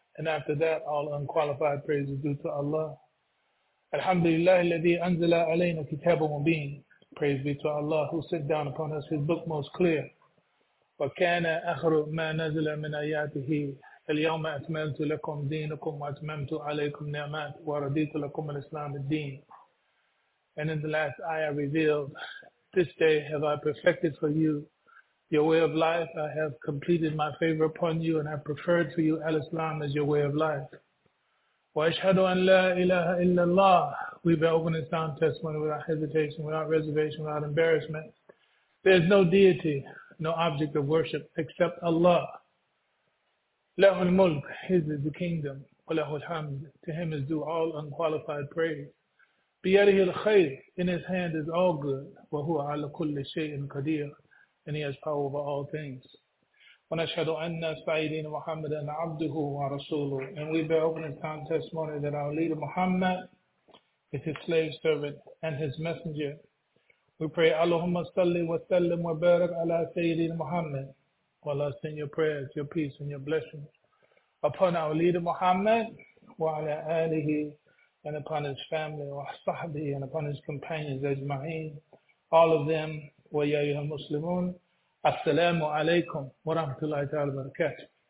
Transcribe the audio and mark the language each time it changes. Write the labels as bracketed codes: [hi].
[en] And after that, all unqualified praise due to Allah. [ar] Alhamdulillah, الذي أنزل علينا كتاب مبين. [en] Praise be to Allah, who sent down upon us His book most clear. [ar] وكان آخر ما نزل من آياته اليوم أتممت لكم دينكم وأتممت عليكم نعمت ورديت لكم الإسلام الدين. [en] And in the last ayah revealed, this day have I perfected for you your way of life. I have completed my favor upon you and have preferred for you al-Islam as your way of life. [ar] وَأَشْهَدُ أَنْ لَا إِلَهَ إِلَّا اللَّهِ [en] We bear open and sound testimony without hesitation, without reservation, without embarrassment. There is no deity, no object of worship except Allah. [ar] لَهُ الْمُلْكِ [en] His is the kingdom. [ar] وَلَهُ الْحَمْدِ [en] To Him is due all unqualified praise. [ar] بِيَدِهِ الْخَيْرِ [en] In His hand is all good. [ar] وَهُوَ عَلَى كُلِّ شَيْءٍ قَدِيرٍ [en] And He has power over all things. [ar] ونشهد أن سيدنا محمد عبده ورسوله [en] and we bear witness and testimony that our leader Muhammad is his slave servant and his messenger. We pray [ar] اللهم صل وسلم وبارك على سيدنا محمد. [en] Allah send your prayers, your peace and your blessings upon our leader Muhammad [ar] وعلى آله [en] and upon his family وصحبه and upon his companions أجمعين. All of them [ar] ويا أيها المسلمون. Assalamu alaikum wa rahmatullahi ta'ala wa barakatuh.